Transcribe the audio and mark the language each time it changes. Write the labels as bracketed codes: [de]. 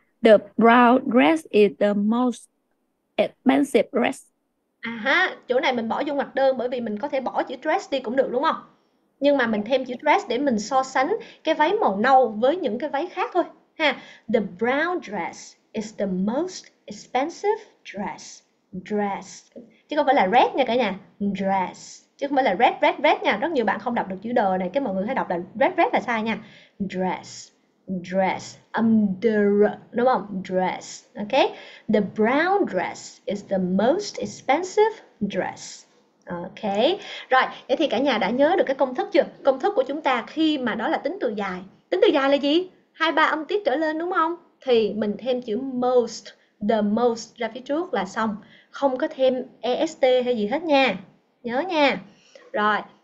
[en] The brown dress is the most expensive dress. [vi] Chỗ này mình bỏ vô mặt đơn bởi vì mình có thể bỏ chữ dress đi cũng được đúng không? Nhưng mà mình thêm chữ dress để mình so sánh cái váy màu nâu với những cái váy khác thôi. Ha. [en] The brown dress is the most expensive dress. Dress. [vi] Chứ không phải là red nha cả nhà. Dress. Chứ không phải là red nha. Rất nhiều bạn không đọc được chữ đờ này. Cái mọi người hay đọc là red là sai nha. Dress. Âm dr. Đúng không? Dress. Ok. [en] The brown dress is the most expensive dress. [vi] Ok. Rồi. Thế thì cả nhà đã nhớ được cái công thức chưa? Công thức của chúng ta khi mà đó là tính từ dài. Tính từ dài là gì? 2-3 âm tiết trở lên đúng không? Thì mình thêm chữ most. The most ra phía trước là xong. Không có thêm EST hay gì hết nha. Nhớ nha. Rồi,